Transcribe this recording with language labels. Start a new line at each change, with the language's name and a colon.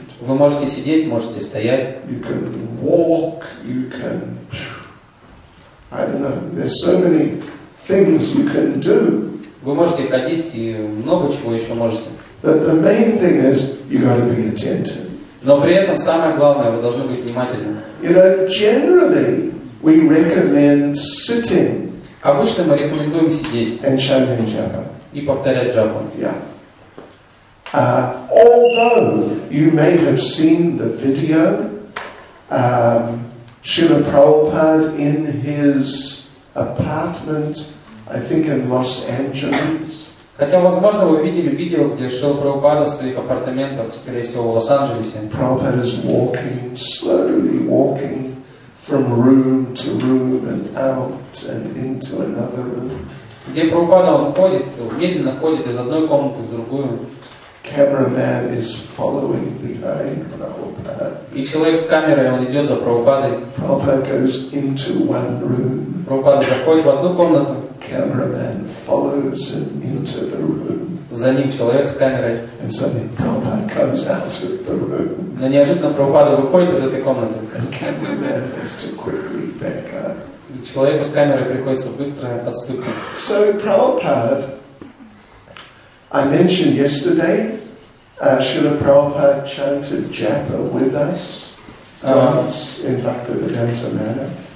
Russian: Вы можете сидеть, можете стоять.
English: You can walk, you can. I don't know. There's so many things you can do.
Russian: Вы можете ходить и много чего еще можете.
English: But the main thing is you got to be attentive.
Russian: Но при этом самое главное вы должны быть внимательны.
English: You know, generally we recommend sitting.
Russian: Обычно мы рекомендуем сидеть.
English: And chanting japa.
Russian: И повторять джапу.
English: Yeah. Although you may have seen the video, Srila Prabhupada in his apartment, I think in Los Angeles.
Russian: Хотя, возможно, вы видели видео, где Шрила Прабхупада в своих апартаментах, скорее всего, в Лос-Анджелесе.
English: Prabhupada is walking, slowly walking from room to room and out and into another room.
Russian: Где Прабхупада, он ходит, медленно ходит из одной комнаты в другую.
English: Cameraman is following behind Prabhupada.
Russian: И человек с камерой, он идет за Прабхупадой.
English: Prabhupada goes into one room.
Russian: Прабхупада заходит в одну комнату.
English: Cameraman follows him into the room.
Russian: За ним человек с камерой.
English: And suddenly Prabhupada comes out of the room.
Russian: Но неожиданно Прабхупада выходит из этой комнаты.
English: And cameraman has to quickly back up.
Russian: И человеку с камерой приходится быстро отступить.
English: So Prabhupada, I mentioned yesterday, Srila Prabhupada chanted japa with us once in Bhaktivedanta Manor.